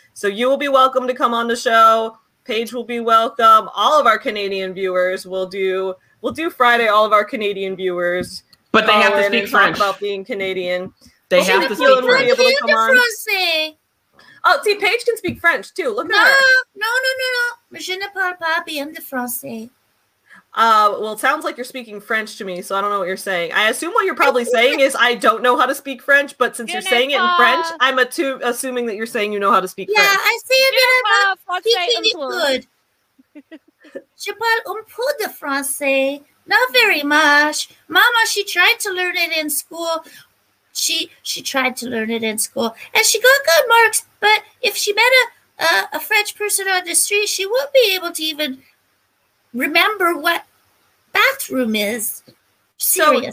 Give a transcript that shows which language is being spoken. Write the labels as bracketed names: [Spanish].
[English] So you will be welcome to come on the show. Paige will be welcome. All of our Canadian viewers will do... We'll do Friday, all of our Canadian viewers. But they have to speak French. About being Canadian. They have to speak French. Able to come on. Oh, see, Paige can speak French, too. Look at her. No. [French] Je ne parle pas bien de français. [English] Well, it sounds like you're speaking French to me, so I don't know what you're saying. I assume what you're probably saying is I don't know how to speak French, but since you're saying it in French, I'm assuming that you're saying you know how to speak French. Yeah, I see it. I'm not speaking it good. [French] Je parle un peu de français, [English] not very much. Mama, she tried to learn it in school. She tried to learn it in school, and she got good marks. But if she met a French person on the street, she wouldn't be able to even remember what bathroom is. Seriously.